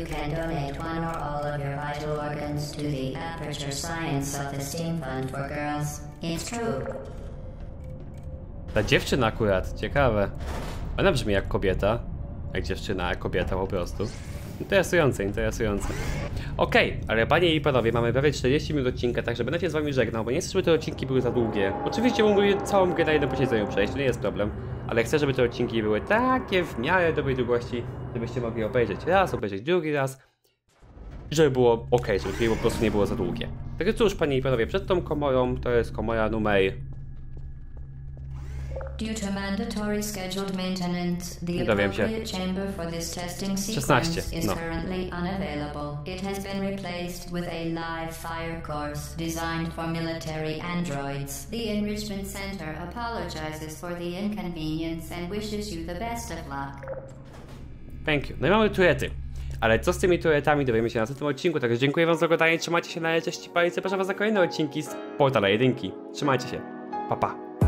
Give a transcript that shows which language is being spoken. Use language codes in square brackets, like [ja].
[en] You can donate one or all of your vital organs to the Aperture Science Self-Esteem Fund for Girls? It's true. [pl] Ta dziewczyna akurat, ciekawe. Ona brzmi jak kobieta. Jak dziewczyna, jak kobieta po prostu. Interesujące, interesujące. Okej, okay, ale panie i panowie, mamy prawie 40 minut odcinka, także będę się z wami żegnał, bo nie chcę, żeby te odcinki były za długie. Oczywiście mógłbym całą grę na jednym posiedzeniu przejść, to nie jest problem. Ale chcę, żeby te odcinki były takie w miarę dobrej długości, żebyście mogli obejrzeć raz, obejrzeć drugi raz. Żeby było ok, żeby po prostu nie było za długie. Także cóż, panie i panowie, przed tą komorą, to jest komora numer... [en] Due to mandatory scheduled maintenance, the appropriate chamber for this testing sequence is currently unavailable. It has been replaced with a live fire course designed for military androids. The Enrichment Center apologizes for the inconvenience and wishes you the best of luck. Thank you. [pl] No i mamy turety. Ale co z tymi turetami, dowiemy się na następnym odcinku. Także dziękuję wam za oglądanie, trzymajcie się, na razie, cześć i palice. Proszę was za kolejne odcinki z Portala 1. Trzymajcie się. Pa, pa.